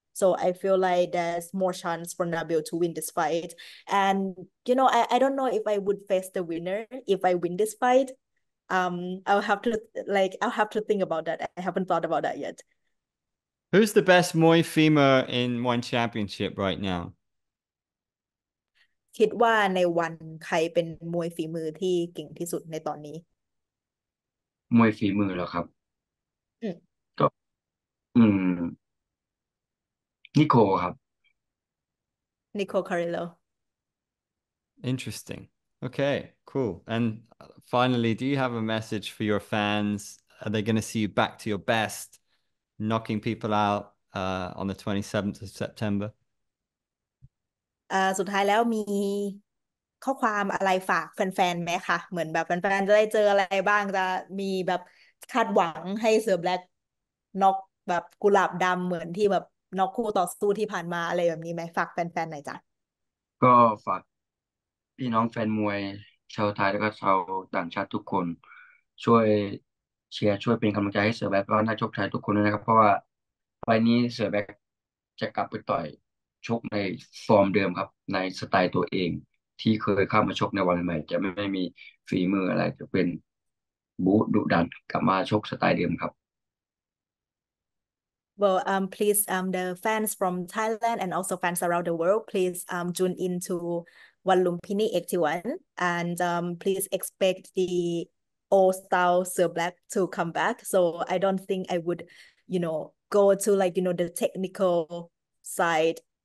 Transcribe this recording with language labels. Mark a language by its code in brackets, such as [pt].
[en] So I feel like there's more chance for Nabil to win this fight. And, you know, I don't know if I would face the winner if I win this fight. I'll have to think about that. I haven't thought about that yet. Who's the best Muay Femur in ONE Championship right now? [th] คิดว่าในวันใครเป็นมวยฝีมือที่เก่งที่สุดในตอนนี้ มวยฝีมือเหรอครับนิโคครับ นิโคคาริโล [en] Interesting. Okay, cool. And finally, do you have a message for your fans? Are they going to see you back to your best? Knocking people out on the 27th of September. [th] สุดท้ายแล้วมีข้อความอะไรฝากแฟนๆไหมคะเหมือนแบบแฟนๆจะได้เจออะไรบ้างจะมีแบบคาดหวังให้เซอร์แบล็กน็อกแบบกุหลาบดำเหมือนที่แบบน็อกคู่ต่อสู้ที่ผ่านมาอะไรแบบนี้ไหมฝากแฟนๆหน่อยจ้ะ ก็ฝากพี่น้องแฟนมวยชาวไทยแล้วก็ชาวต่างชาติทุกคนช่วยเชียร์ช่วยเป็นกำลังใจให้เสือแบ็คแล้วนักชกไทยทุกคนด้วยนะครับเพราะว่าไฟนี้เสือแบ็คจะกลับไปต่อยชกในฟอร์มเดิมครับในสไตล์ตัวเองที่เคยเข้ามาชกในวันใหม่จะไม่มีฝีมืออะไรจะเป็นบู๊ดุดันกลับมาชกสไตล์เดิมครับ [en] Well, please, the fans from Thailand and also fans around the world, please tune in to Wanlumpini 81 and please expect the old style Sir Black to come back. So I don't think I would, you know, go to like, you know, the technical side